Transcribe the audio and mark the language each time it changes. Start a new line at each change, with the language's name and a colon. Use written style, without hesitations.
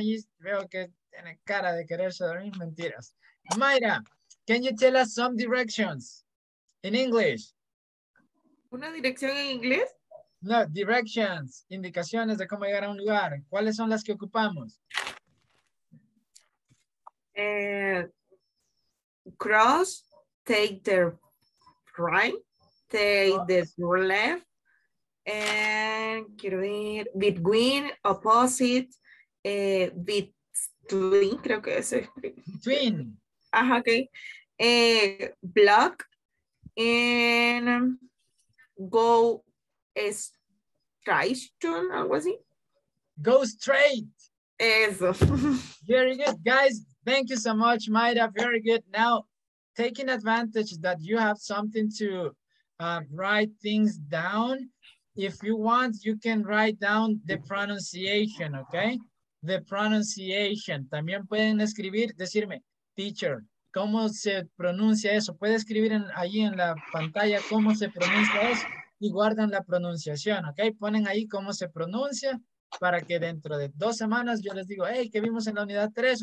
Spanish: Y veo que tiene cara de quererse dormir. Mentiras.
English: Mayra, can you tell us some directions in English?
Spanish: ¿Una dirección en inglés? No, directions. Indicaciones de cómo llegar a un lugar. ¿Cuáles son las que ocupamos?
English: Cross, take the right, take the left.
Spanish: And quiero ver,
English: between, opposite, between,
Spanish: creo que es.
English: Between.
Spanish: Ajá,
English: ok. Block, and go straight,
Spanish: algo así.
English: Go straight.
Spanish: Eso.
English: Very good, guys. Thank you so much, Mayra. Very good. Now, taking advantage that you have something to write things down. If you want, you can write down the pronunciation, okay? The pronunciation.
Spanish: También pueden escribir, decirme, teacher, ¿cómo se pronuncia eso? Puede escribir ahí en la pantalla cómo se pronuncia eso y guardan la pronunciación, okay? Ponen ahí cómo se pronuncia para que dentro de dos semanas yo les digo, hey, ¿qué vimos en la unidad 3?